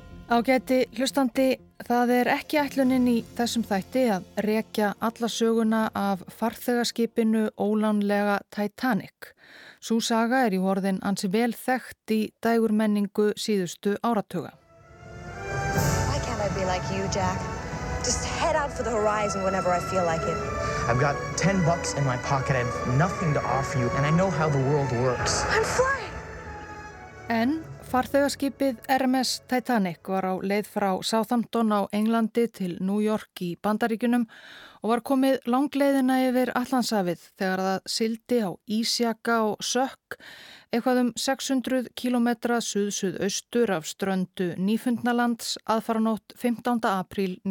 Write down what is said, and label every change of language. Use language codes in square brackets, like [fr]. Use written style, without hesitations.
[is] Ágæti hlustandi, það ekki ætlunin í þessum þætti að rekja alla söguna af farþegaskipinu ólánlega Titanic. Sú saga í orðin ansi vel þekkt í dægur menningu síðustu áratuga. [en] Why can't I be like you, Jack? Just head out for the horizon whenever I feel like it. I've got 10 bucks in my pocket, I've nothing to offer you and I know how the world works. I'm flying! [is] En farþegaskipið RMS Titanic var á leið frá Southampton á Englandi til New York í Bandaríkjunum og var komið langleiðina yfir Atlantshafið þegar það sigldi á ísjaka og sökk eitthvað 600 kilometra suðsuðaustur af ströndu Nýfundnalands aðfaranótt 15.